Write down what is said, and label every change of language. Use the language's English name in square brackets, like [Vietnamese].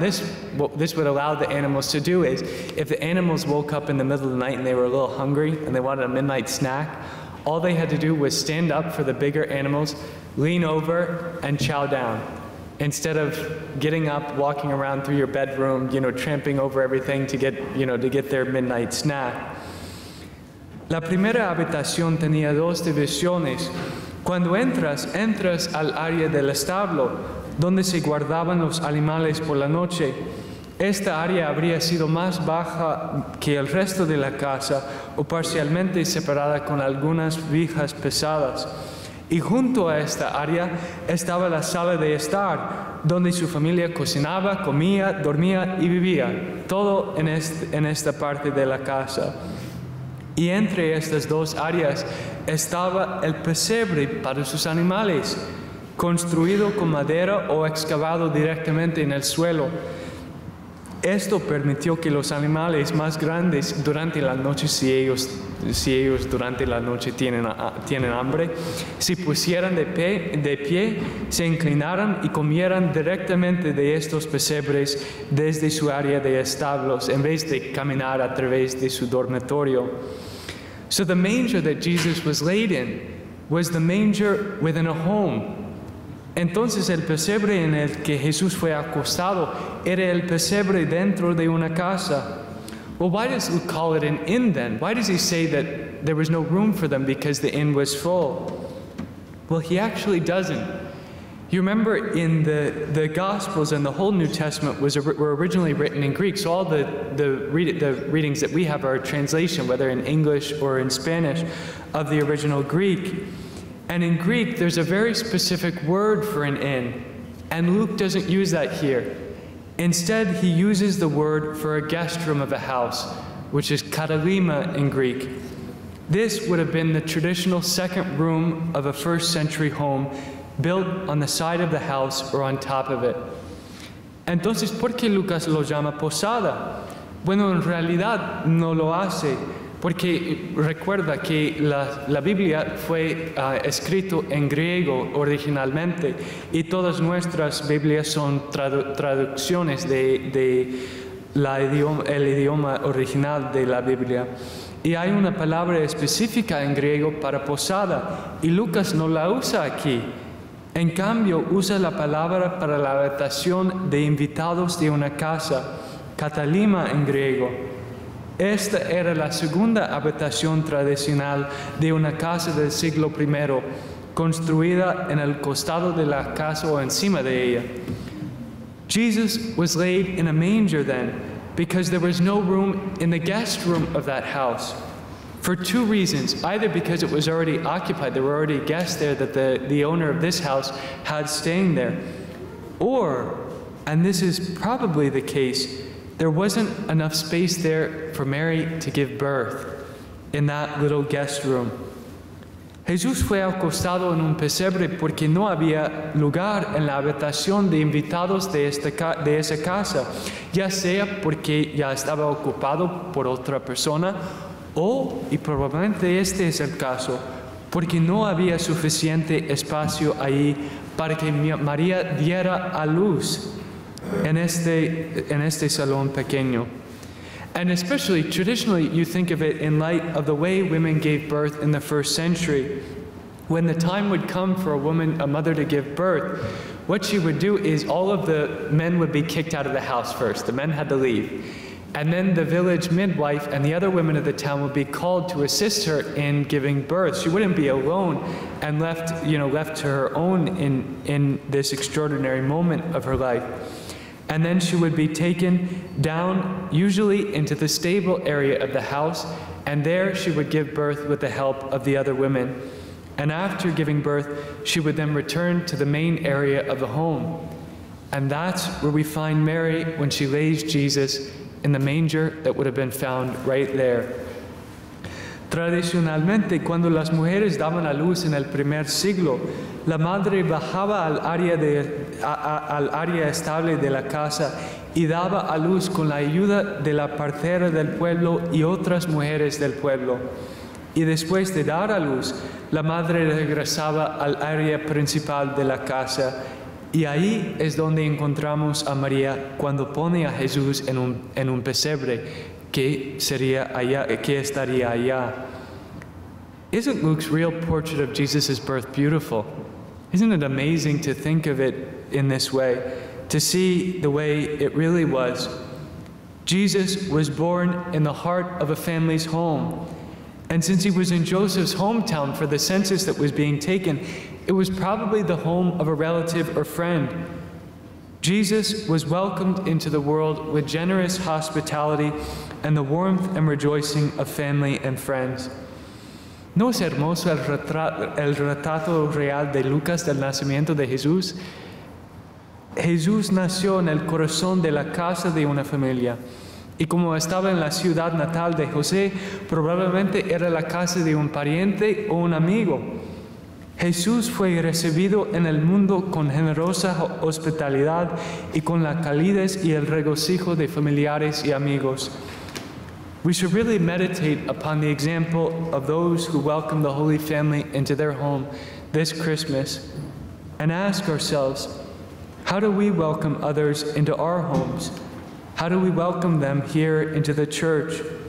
[English] This would allow the animals to do is, if the animals woke up in the middle of the night and they were a little hungry and they wanted a midnight snack, all they had to do was stand up for the bigger animals, lean over, and chow down. Instead of getting up, walking around through your bedroom, you know, tramping over everything to get, you know, to get their midnight snack. [Spanish] La primera habitación tenía dos divisiones. Cuando entras, entras al área del establo, donde se guardaban los animales por la noche. Esta área habría sido más baja que el resto de la casa o parcialmente separada con algunas vigas pesadas. Y junto a esta área estaba la sala de estar, donde su familia cocinaba, comía, dormía y vivía, todo en esta parte de la casa. Y entre estas dos áreas estaba el pesebre para sus animales, construido con madera o excavado directamente en el suelo. Esto permitió que los animales más grandes durante la noche, si ellos durante la noche tienen hambre, se pusieran de pie, se inclinaran y comieran directamente de estos pesebres desde su área de establos, en vez de caminar a través de su dormitorio. [English] So the manger that Jesus was laid in was the manger within a home. [Spanish] Entonces el pesebre en el que Jesús fue acostado era el pesebre dentro de una casa. [English] Well, why does Luke call it an inn then? Why does he say that there was no room for them because the inn was full? Well, he actually doesn't. You remember in the Gospels and the whole New Testament were originally written in Greek, so all the readings that we have are a translation, whether in English or in Spanish, of the original Greek. And in Greek, there's a very specific word for an inn, and Luke doesn't use that here. Instead, he uses the word for a guest room of a house, which is katalima in Greek. This would have been the traditional second room of a first century home, built on the side of the house or on top of it. [Spanish] Entonces, ¿por qué Lucas lo llama posada? Bueno, en realidad no lo hace, porque recuerda que la Biblia fue escrito en griego originalmente, y todas nuestras Biblias son traducciones del idioma original de la Biblia. Y hay una palabra específica en griego para posada, y Lucas no la usa aquí. En cambio, usa la palabra para la habitación de invitados de una casa, katalima en griego. Esta era la segunda habitación tradicional de una casa del siglo I, construida en el costado de la casa o encima de ella. [English] Jesus was laid in a manger then, because there was no room in the guest room of that house. For two reasons, either because it was already occupied, there were already guests there that the owner of this house had staying there, or, and this is probably the case, there wasn't enough space there for Mary to give birth in that little guest room. [Spanish] Jesús fue acostado en un pesebre porque no había lugar en la habitación de invitados de esa casa, ya sea porque ya estaba ocupado por otra persona, o, y probablemente este es el caso, porque no había suficiente espacio ahí para que María diera a luz en este salón pequeño. [English] And especially, traditionally, you think of it in light of the way women gave birth in the first century. When the time would come for a mother to give birth, what she would do is all of the men would be kicked out of the house first. The men had to leave. And then the village midwife and the other women of the town would be called to assist her in giving birth. She wouldn't be alone and left to her own in this extraordinary moment of her life. And then she would be taken down, usually into the stable area of the house, and there she would give birth with the help of the other women. And after giving birth, she would then return to the main area of the home. And that's where we find Mary when she lays Jesus in the manger that would have been found right there. [Spanish] Tradicionalmente, cuando las mujeres daban a luz en el primer siglo, la madre bajaba al área estable de la casa y daba a luz con la ayuda de la partera del pueblo y otras mujeres del pueblo. Y después de dar a luz, la madre regresaba al área principal de la casa. Y ahí es donde encontramos a María cuando pone a Jesús en un pesebre, que estaría allá. [English] Isn't Luke's real portrait of Jesus' birth beautiful? Isn't it amazing to think of it in this way, to see the way it really was? Jesus was born in the heart of a family's home. And since he was in Joseph's hometown for the census that was being taken, it was probably the home of a relative or friend. Jesus was welcomed into the world with generous hospitality and the warmth and rejoicing of family and friends. [Spanish] ¿No es hermoso el retrato real de Lucas del nacimiento de Jesús? Jesús nació en el corazón de la casa de una familia. Y como estaba en la ciudad natal de José, probablemente era la casa de un pariente o un amigo. Jesús fue recibido en el mundo con generosa hospitalidad y con la calidez y el regocijo de familiares y amigos. [English] We should really meditate upon the example of those who welcomed the Holy Family into their home this Christmas and ask ourselves, how do we welcome others into our homes? How do we welcome them here into the church?